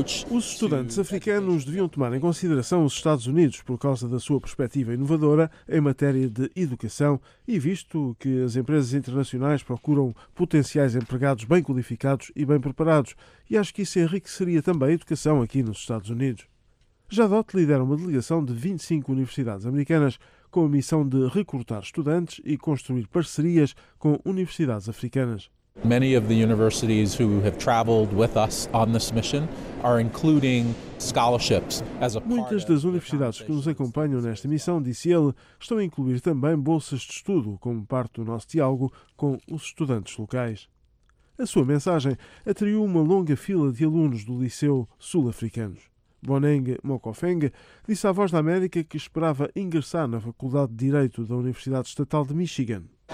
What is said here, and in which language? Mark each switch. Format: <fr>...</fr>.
<pt>Os estudantes africanos deviam tomar em consideração os Estados Unidos por causa da sua perspectiva inovadora em matéria de educação e visto que as empresas internacionais procuram potenciais empregados bem qualificados e bem preparados, e acho que isso enriqueceria também a educação aqui nos Estados Unidos. Jadot lidera uma delegação de 25 universidades americanas com a missão de recrutar estudantes e construir parcerias com universidades africanas.</pt> <en>Many of the universities who have traveled with us on this mission are including scholarships as a part.</en> <pt>Muitas das universidades que nos acompanham nesta missão, disse ele, estão a incluir também bolsas de estudo como parte do nosso diálogo com os estudantes locais. A sua mensagem atraiu uma longa fila de alunos do liceu sul-africanos. Boneng Mokofeng disse à Voz da América que esperava ingressar na Faculdade de Direito da Universidade Estatal de Michigan.</pt>